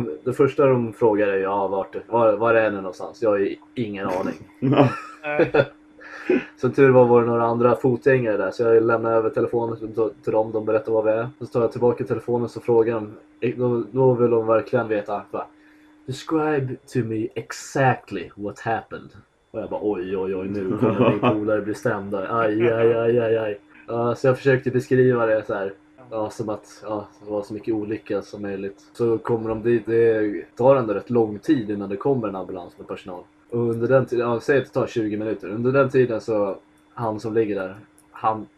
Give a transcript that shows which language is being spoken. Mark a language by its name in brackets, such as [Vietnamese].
[Swedish] Det första de frågar är, var är ni någonstans? Jag har ju ingen aning. Så tur var det några andra fotgängare där. Så jag lämnar över telefonen till dem. De berättar vad vi är. Så tar jag tillbaka telefonen och frågar dem. Då vill de verkligen veta. Bara, [English] describe to me exactly what happened. [Swedish] Och jag bara oj nu kommer min polare bli stämd. Aj. Så jag försökte beskriva det så här. Som att det var så mycket olycka som möjligt. Så kommer de dit. Det tar ändå rätt lång tid innan det kommer en ambulans med personal. Och under den tiden, säg att det tar 20 minuter. Under den tiden så, han som ligger där, han